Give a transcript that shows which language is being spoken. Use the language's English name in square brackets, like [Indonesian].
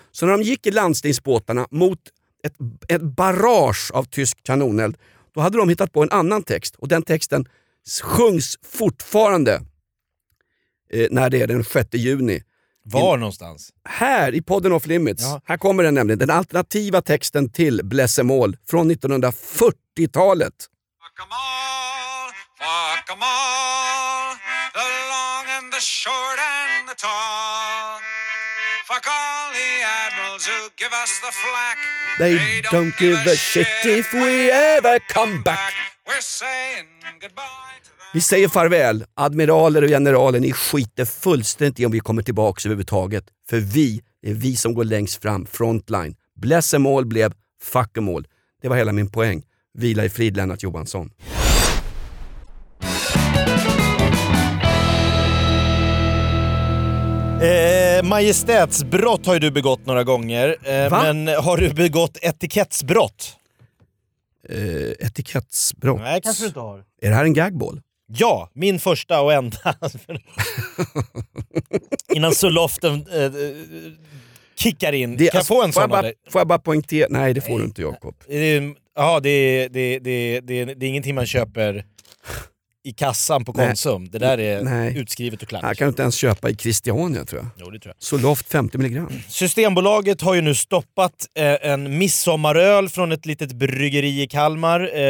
[Swedish] Så när de gick i landstingsbåtarna mot ett barrage av tysk kanoneld, då hade de hittat på en annan text. Och den texten sjungs fortfarande när det är den 6 juni. Var någonstans? Här i podden Off Limits. Ja. Här kommer den nämligen. Den alternativa texten till Bless them all från 1940-talet. [English] Come on! Fuck 'em all, the long and the short and the tall. Fuck all the admirals who give us the flak. They don't give a shit if we ever come back. We're saying goodbye. [Swedish] Vi säger farväl, admiraler och generaler, ni skiter fullständigt i om vi kommer tillbaka överhuvudtaget. För vi, det är vi som går längst fram, frontline. [English] Bless 'em all [Swedish] blev [English] fuck 'em all. [Swedish] Det var hela min poäng. Vila i frid, Lennart Johansson. [English] Yeah. [Swedish] Majestätsbrott har ju du begått några gånger. Men har du begått etikettsbrott? Etikettsbrott? Nej, kanske du inte har. Är det här en gagball? Ja, min första och enda. Innan Zoloften kickar in. Det, kan alltså, jag få en sån? Får jag bara poängtera? Nej, det får du inte, Jakob. Ja, det är ingenting man köper i kassan på Konsum. Nej. Det där är nej, utskrivet och klart. Jag kan inte ens köpa i Christiania, tror jag. Jo, det tror jag. Zoloft 50 milligram. Systembolaget har ju nu stoppat en midsommaröl från ett litet bryggeri i Kalmar.